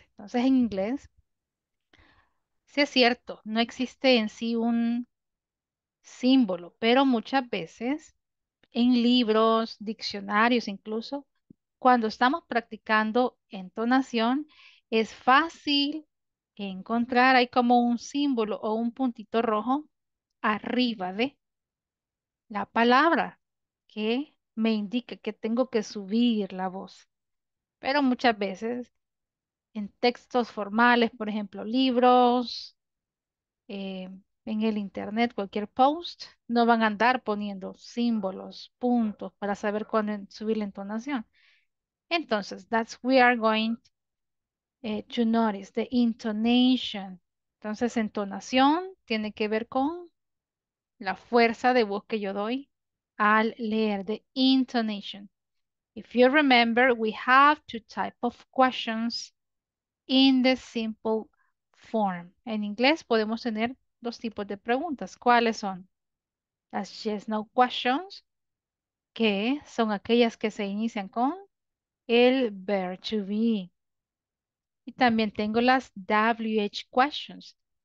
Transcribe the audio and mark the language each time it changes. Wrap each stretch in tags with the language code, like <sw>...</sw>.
<es>Entonces, en inglés, sí es cierto, no existe en sí un símbolo, pero muchas veces en libros, diccionarios incluso, cuando estamos practicando entonación, es fácil encontrar, hay como un símbolo o un puntito rojo arriba de la palabra que me indica que tengo que subir la voz. Pero muchas veces en textos formales, por ejemplo, libros, en el internet, cualquier post, no van a andar poniendo símbolos, puntos, para saber cuándo subir la entonación. Entonces,</es> <en>that's we are going to notice, the intonation.</en> <es>Entonces, entonación tiene que ver con la fuerza de voz que yo doy al leer,</es> <en>the intonation. If you remember, we have two type of questions in the simple form.</en> <es>En inglés podemos tener dos tipos de preguntas. ¿Cuáles son? Las yes, no questions, que son aquellas que se inician con el verb to be. Y también tengo las WH questions.</es>